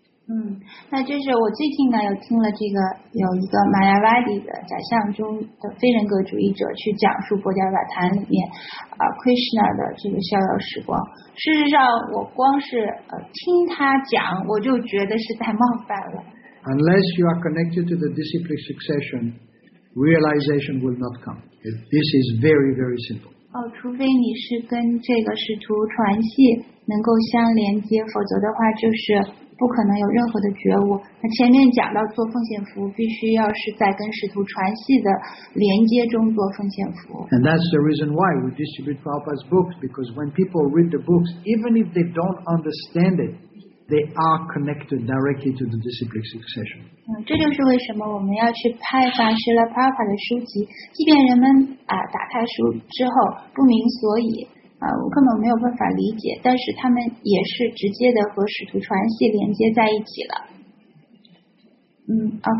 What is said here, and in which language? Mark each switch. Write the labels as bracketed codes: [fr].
[zh] 那就是我最近呢有听了这个有一个 Mayavadi 的假象中的非人格主义者去讲述《博迦瓦坛》里面Krishna 的这个逍遥时光。事实上，我光是听他讲，我就觉得是在冒犯了。 [en] Unless you are connected to the disciplic succession. Realization will not come. This is very, very simple. [zh] 除非你是跟这个使徒传系能够相连接，否则的话就是不可能有任何的觉悟。那前面讲到做奉献服务，必须要是在跟使徒传系的连接中做奉献服务。 [en] And that's the reason why we distribute Prabhupada's books, because when people read the books, even if they don't understand it, they are connected directly to the disciplic succession. [zh] 这就是为什么我们要去派发施拉帕帕的书籍，即便人们啊打开书之后不明所以。我根本没有办法理解，但是他们也是直接的和使徒传系连接在一起了。